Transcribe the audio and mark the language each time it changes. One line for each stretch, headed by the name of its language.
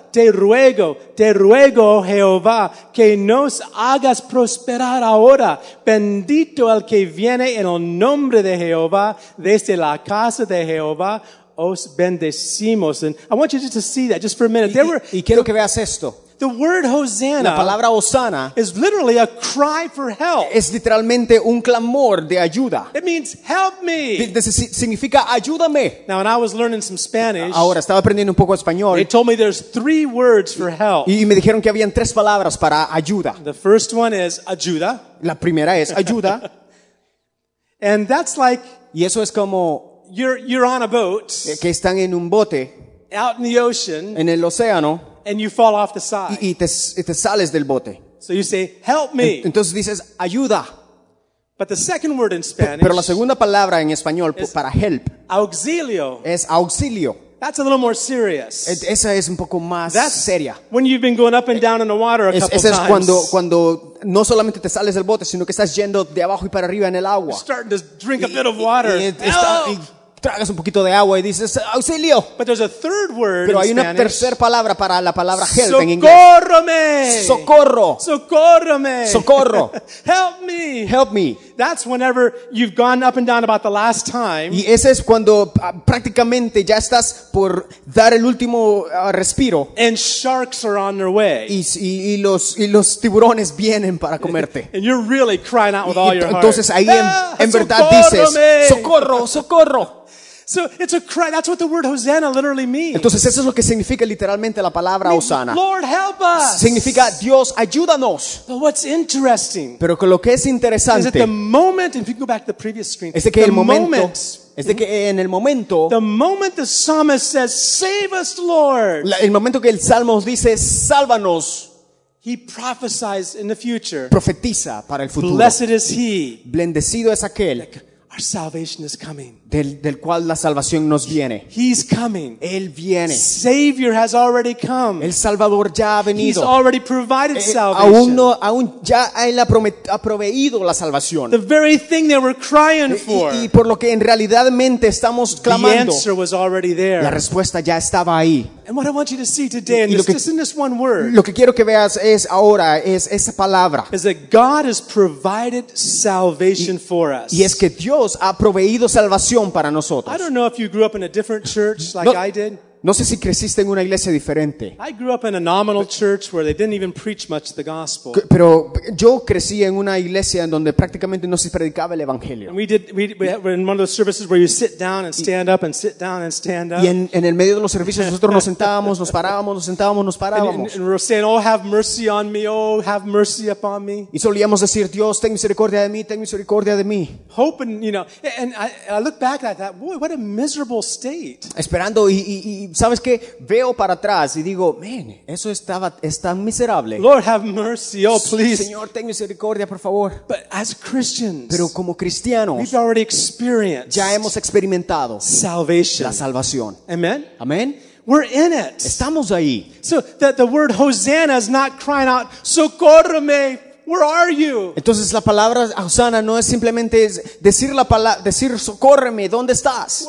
Spanish: Te ruego, Jehová, que nos hagas prosperar ahora. Bendito el que viene en el nombre de Jehová, desde la casa de Jehová, os bendecimos.
English: And I want you just to see that just for a minute.
Spanish: Y quiero que veas esto.
English: The word Hosanna,
Spanish: la palabra Hosanna
English: is literally a cry for help.
Spanish: Es literalmente un clamor de ayuda.
English: It means help me.
Spanish: Significa ayúdame.
English: Now when I was learning some Spanish,
Spanish: ahora estaba aprendiendo un poco español.
English: They told me there's three words for help.
Spanish: Y me dijeron que habían tres palabras para ayuda.
English: The first one is ayuda.
Spanish: La primera es ayuda.
English: And that's like,
Spanish: y eso es como,
English: you're on a boat.
Spanish: Que están en un bote.
English: Out in the ocean.
Spanish: En el océano.
English: And you fall off the side.
Spanish: Y te sales del bote.
English: So you say, "Help me."
Spanish: Entonces dices, "Ayuda."
English: But the second word in Spanish.
Spanish: Pero la segunda palabra en español para help.
English: Auxilio.
Spanish: Es auxilio.
English: That's a little more serious.
Spanish: Esa es un poco más seria.
English: When you've been going up and down in the water a couple times.
Spanish: Es cuando no solamente te sales del bote, sino que estás yendo de abajo y para arriba en el agua.
English: You're starting to drink a bit of water.
Spanish: Y tragas un poquito de agua y dices auxilio.
English: But there's a third word.
Spanish: Pero hay
English: in
Spanish: una
English: Spanish.
Spanish: Tercera palabra para la palabra help. Socórrame. En inglés. Socórrame. Socorro. Socórrame. Socorro.
English: Help me. Help me. That's whenever you've gone up and down about the last time.
Spanish: Y ese es cuando prácticamente ya estás por dar el último respiro.
English: And sharks are on their way.
Spanish: Y los tiburones vienen para comerte.
English: And you're really crying out with all your heart.
Spanish: Entonces ahí en verdad dices, socorro, socorro.
English: So it's a cry. That's what the word Hosanna literally means.
Spanish: Entonces eso es lo que significa literalmente la palabra Hosanna.
English: Lord, help us.
Spanish: Significa Dios, ayúdanos.
English: But what's interesting?
Spanish: Pero que lo que es interesante.
English: Is that the moment, if you can go back to the previous screen.
Spanish: Es de que en el momento.
English: The moment the psalmist says, "Save us, Lord."
Spanish: El momento que el salmo dice, "Sálvanos."
English: He prophesies in the future.
Spanish: Profetiza para el futuro.
English: Blessed is he.
Spanish: Bendecido es aquel.
English: Our salvation is coming.
Spanish: Del cual la salvación nos viene.
English: He's coming.
Spanish: Él viene.
English: Savior has already come.
Spanish: El Salvador ya ha venido.
English: He's already provided salvation.
Spanish: Aún ya ha proveído la salvación.
English: The very thing they were crying for.
Spanish: Y por lo que en realidad mente estamos clamando.
English: The answer was already there.
Spanish: La respuesta ya estaba ahí.
English: And what I want you to see today, just in this one word.
Spanish: Lo que quiero que veas es ahora es esa palabra.
English: Is that God has provided salvation for us.
Spanish: Y es que Dios ha proveído salvación. Para nosotros.
English: I don't know if you grew up in a different church like I did.
Spanish: No sé si creciste en una iglesia diferente.
English: I grew up in a nominal church where they didn't even preach much the gospel.
Spanish: Pero yo crecí en una iglesia en donde prácticamente no se predicaba el evangelio.
English: We were in one of those services where you sit down and stand up and sit down and stand up.
Spanish: Y en el medio de los servicios nosotros nos sentábamos, nos parábamos, nos sentábamos, nos parábamos.
English: And we were saying, "Oh, have mercy on me. Oh, have mercy upon me."
Spanish: Y solíamos decir, "Dios, ten misericordia de mí, ten misericordia de mí."
English: Hoping, you know, and I look back at that, boy, what a miserable state.
Spanish: Esperando y ¿sabes qué? Veo para atrás y digo, man, eso es tan miserable.
English: Lord, have mercy, oh please.
Spanish: Señor, ten misericordia, por favor.
English: But as Christians,
Spanish: pero como cristianos,
English: we've already experienced
Spanish: ya hemos experimentado
English: salvation.
Spanish: La salvación.
English: Amen.
Spanish: Amen.
English: We're in it.
Spanish: Estamos ahí.
English: So that the word Hosanna is not crying out, socórreme. Where are you?
Spanish: Entonces la palabra Hosanna no es simplemente decir la palabra, decir socórreme, ¿dónde estás?